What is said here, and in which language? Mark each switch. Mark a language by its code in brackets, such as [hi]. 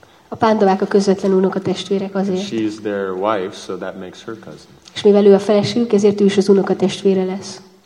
[hu] A Pandavák a közvetlen unokatestvérek azért. [en] She is their wife, so that makes her cousin. [hu] És mivel ő a feleségük, ezért ő is az unokatestvére lesz.